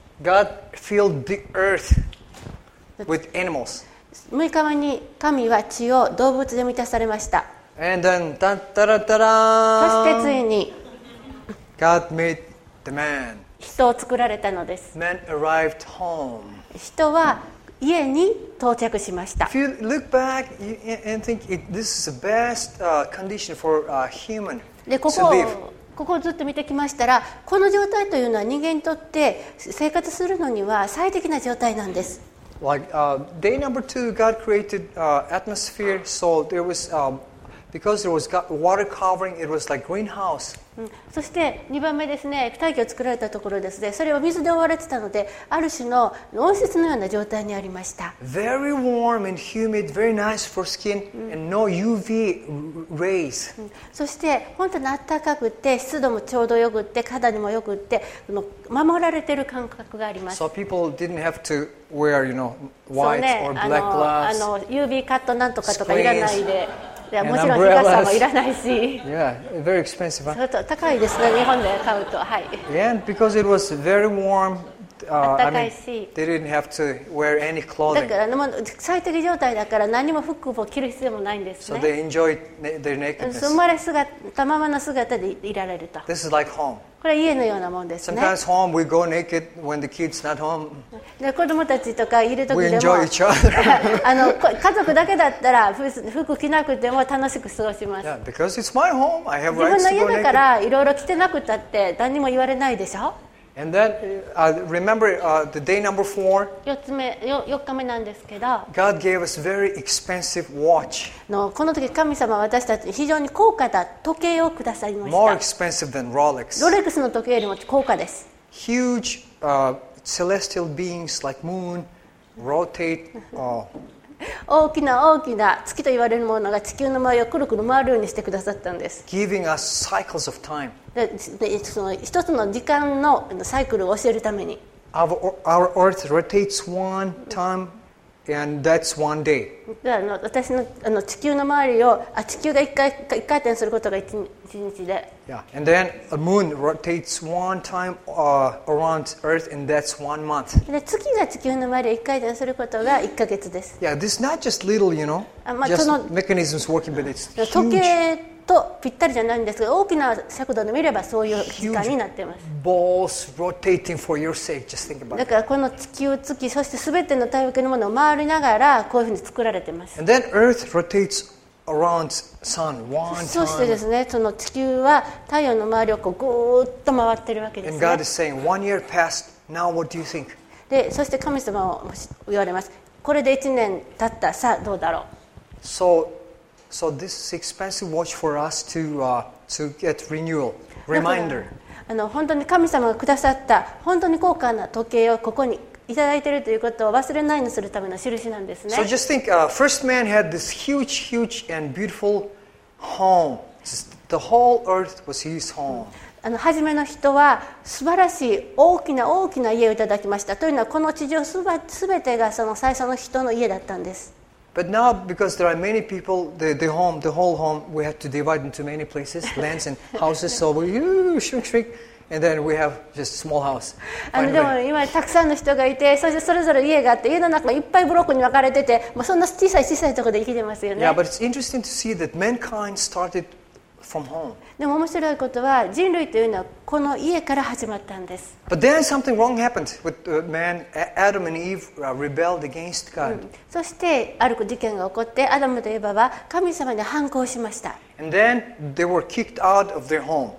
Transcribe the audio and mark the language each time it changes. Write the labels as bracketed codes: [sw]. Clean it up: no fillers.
[en] God filled the earth with animals. [ja] 6日目に神は地を動物で満たされました。 [en] And then ta ta ra ta ra. [ja] そしてついに。 [en] God made the man. [ja] 人を作られたのです。 [en] Man arrived home. [ja] 人は家に到着しました。 [en] If you look back and think this is the best condition for a human to live. [ja] ここをずっと見てきましたら、この状態というのは人間にとって生活するのには最適な状態なんです。 [en] Like day number two, God created atmosphere, so there was because there was water covering, it was like greenhouse. [ja] そして2番目ですね、大気を作られたところですね、それは水で覆われてたので、ある種の温室のような状態にありました。 [en] Very warm and humid, very nice for skin and no UV rays. [ja] そして本当に暖かくて、湿度もちょうどよくって、肌にもよくって、守られている感覚があります。 [en] So people didn't have to wear, you know, white or black gloves. [ja] UV カットなんとかとかいらないで。やもちろん日傘もいらないし。 [en] Yeah, very expensive. [ja] ちょっと高いですね日本で買うと。はい。 [en] And because it was very warm, I mean, they didn't have to wear any clothing. [ja] だから最適状態だから何も服を着る必要もないんですね。 [en] So they enjoyed their nakedness. [ja] 生まれ姿たままの姿でいられると。 [en] This is like home. [ja] これは家のようなもんですね。 [en] Sometimes home we go naked when the kids not home. [ja] で子供たちとかいる時でも、 [en] we enjoy each other. [ja] あの家族だけだったら服着なくても楽しく過ごします。 [en] Yeah, because it's my home, I have rights to go naked. [ja] 自分の家だからいろいろ着てなくたって何にも言われないでしょ。 [en] And then remember the day number four. [ja] 4日目なんですけど。 [en] God gave us very expensive watch. [ja] のこの時神様は私たちに非常に高価な時計をくださいました。 [en] More expensive than Rolex. [ja] ロレックスの時計よりも高価です。 [en] Huge celestial beings like moon rotate. [ja] 大きな大きな月と言われるものが地球の周りをくるくる回るようにしてくださったんです。 [en] Giving us cycles of time. [ja] でその一つの時間のサイクルを教えるために [en] our earth rotates one time and that's one day. [ja] 私 の, あの地球の周りをあ地球が一回転することが一日で、 [en] yeah. And then a moon rotates one time around earth and that's one month. [ja] で月が地球の周りを一回転することが1ヶ月です。 [en] Yeah, this is not just little, you know, just mechanisms working, but it's huge. [ja] 時計とぴったりじゃないんですが大きな尺度で見ればそういう時間になっています。 [en] balls rotating for your sake. Just think about [ja] だからこの地球月そして全ての太陽系のものを回りながらこういうふうに作られています。 [en] And then earth rotates around sun one time. [ja] そしてですねその地球は太陽の周りをこうぐーっと回ってるわけですね。 [en] And God is saying one year passed. Now what do you think? [ja] でそして神様も言われます。これで1年経ったさあどうだろう。 [en] So this is expensive watch for us to get renewal reminder. [ja] あの本当に神様がくださった本当に高価な時計をここにいただいているということを忘れないにするための印なんですね。 [en] So just think, first man had this huge, huge and beautiful home. Just the whole earth was his home. [ja] あの初めの人は素晴らしい大きな大きな家をいただきました。というのはこの地上すべてがその最初の人の家だったんです。 [en] But now, because there are many people, the home, the whole home, we have to divide into many places, lands and houses. So we shrink, and then we have just small house. But now, there are many people, and each house has a lot of houses. The house is divided into many blocks, and we live in such a small place. Yeah, but it's interesting to see that mankind started from home. [ja] でも面白いことは人類というのはこの家から始まったんです。 [en] But then something wrong happened with the man. Adam and Eve rebelled against God. [ja] そしてある事件が起こってアダムとエバは神様に反抗しました。 [en] And then they were kicked out of their home.